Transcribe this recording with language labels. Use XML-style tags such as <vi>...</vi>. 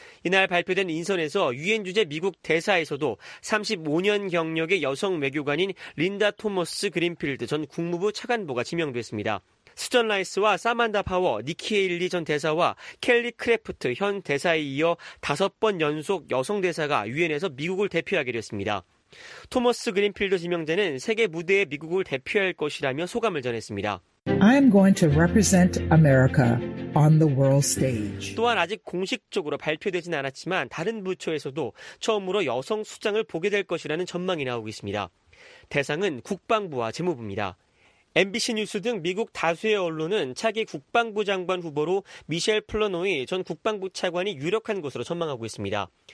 <ko>이날 발표된 인선에서 유엔 주재 미국 대사에서도 35년 경력의 여성 외교관인 린다 토머스 그린필드 전 국무부 차관보가 지명됐습니다. 수전 라이스와 사만다 파워, 니키 에일리 전 대사와 켈리 크래프트 현 대사에 이어 다섯 번 연속 여성 대사가 유엔에서 미국을 대표하게 됐습니다. 토머스 그린필드 지명자는 세계 무대에 미국을 대표할 것이라며 소감을 전했습니다.</ko> <en>I am going to represent America on the world stage.</en> <ko>또한 아직 공식적으로 발표되진 않았지만 다른 부처에서도 처음으로 여성 수장을 보게 될 것이라는 전망이 나오고 있습니다. 대상은 국방부와 재무부입니다. MBC 뉴스 등 미국 다수의 언론은 차기 국방부 장관 후보로 미셸 플러노이 전 국방부 차관이 유력한 것으로 전망하고 있습니다.</ko>